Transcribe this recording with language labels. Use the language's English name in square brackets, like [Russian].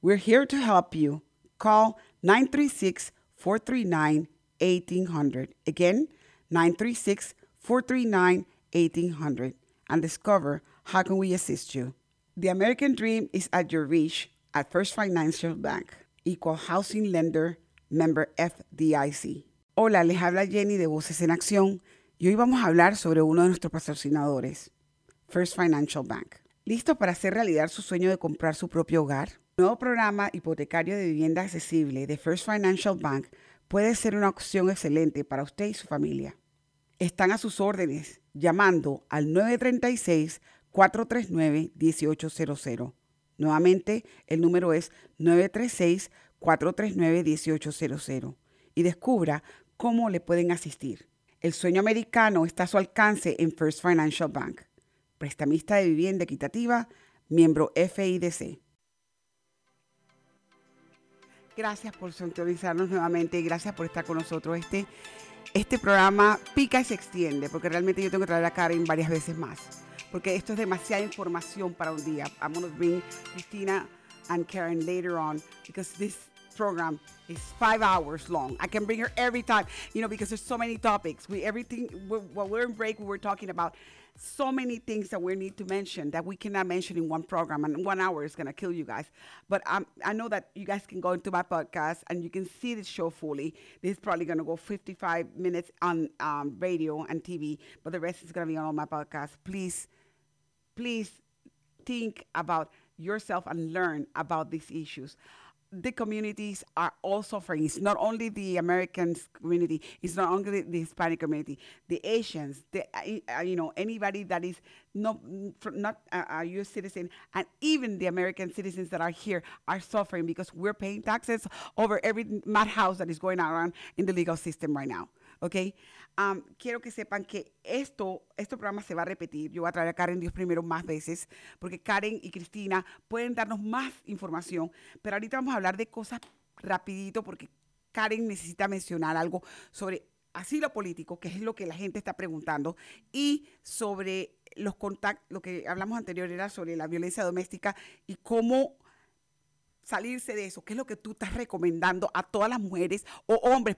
[English] We're here to help you. Call 936-439-1800. Again, 936-439-1800. And discover how can we assist you. The American dream is at your reach at First Financial Bank. Equal Housing Lender, Member FDIC. [Spanish] Hola, les habla Jenny de Voces en Acción y hoy vamos a hablar sobre uno de nuestros patrocinadores, First Financial Bank. ¿Listo para hacer realidad su sueño de comprar su propio hogar? El nuevo programa hipotecario de vivienda accesible de First Financial Bank puede ser una opción excelente para usted y su familia. Están a sus órdenes llamando al 936-439-1800. Nuevamente, el número es 936-439-1800 y descubra cómo le pueden asistir. El sueño americano está a su alcance en First Financial Bank. Prestamista de vivienda equitativa, miembro FIDC. Gracias por sintonizarnos nuevamente y gracias por estar con nosotros. Este programa pica y se extiende porque realmente yo tengo que traer a Karen varias veces más. Porque esto es demasiada información para un día. [English] I'm going to bring Cristina and Karen later on because this program is 5 hours long. I can bring her every time, you know, because there's so many topics. While we're in break, we were talking about so many things that we need to mention that we cannot mention in one program, and 1 hour is going to kill you guys. But I know that you guys can go into my podcast and you can see the show fully. This is probably going to go 55 minutes on radio and TV, but the rest is going to be on all my podcasts. Please, please think about yourself and learn about these issues. The communities are all suffering. It's not only the American community. It's not only the Hispanic community. The Asians, anybody that is not a U.S. citizen, and even the American citizens that are here are suffering because we're paying taxes over every madhouse that is going around in the legal system right now. Okay. [Spanish] Quiero que sepan que este programa se va a repetir. Yo voy a traer a Karen Dios Primero más veces, porque Karen y Cristina pueden darnos más información. Pero ahorita vamos a hablar de cosas rapidito, porque Karen necesita mencionar algo sobre asilo político, que es lo que la gente está preguntando, y sobre los contactos, lo que hablamos anterior era sobre la violencia doméstica y cómo salirse de eso. ¿Qué es lo que tú estás recomendando a todas las mujeres o hombres?